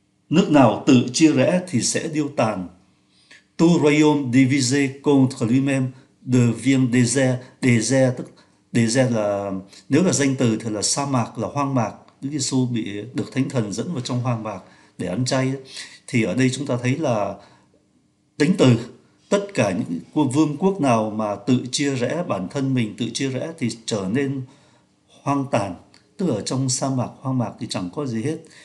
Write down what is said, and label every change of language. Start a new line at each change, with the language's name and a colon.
Vietnamese: Nước nào tự chia rẽ thì sẽ điêu tàn.
French: Tout royaume divisé contre lui-même devient désert.
Vietnamese: Désert tức désert là, nếu là danh từ thì là sa mạc, là hoang mạc. Đức Giêsu bị được Thánh Thần dẫn vào trong hoang mạc để ăn chay. Thì ở đây chúng ta thấy là tính từ, tất cả những vương quốc nào mà tự chia rẽ bản thân mình, tự chia rẽ thì trở nên hoang tàn, tức ở trong sa mạc, hoang mạc thì chẳng có gì hết.